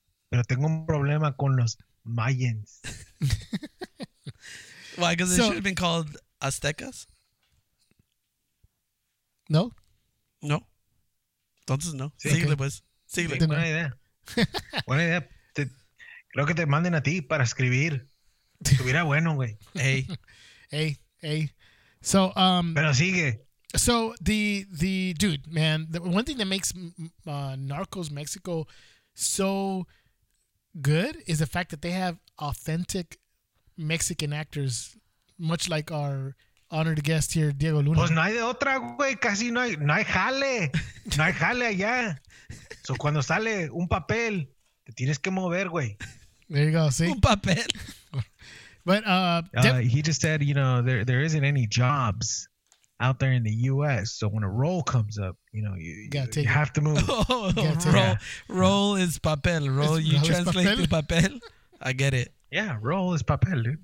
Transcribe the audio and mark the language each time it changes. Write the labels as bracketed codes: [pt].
[es] Pero tengo un problema con los Mayans. [en] Why? Because they should have been called Aztecas? No. [es] No. Entonces no. Sí, okay. Síguele, pues. Síguele. Buena idea. Buena idea. Creo que te manden a ti para escribir. Estuviera bueno, güey. Ey. Ey, ey. So, pero sigue. [en] So, the dude, man, the one thing that makes Narcos Mexico so good is the fact that they have authentic Mexican actors, much like our honored guest here, Diego Luna. [es] Pues no hay de otra, güey. Casi no hay, no hay jale. No hay jale allá. So cuando sale un papel, te tienes que mover, güey. [en] There you go, see? [es] Un papel. [en] But he just said, you know, there isn't any jobs out there in the U.S. So when a role comes up, you know, you have to move. Oh, role is papel. Role, you translate to papel. I get it. Yeah, role is papel, dude.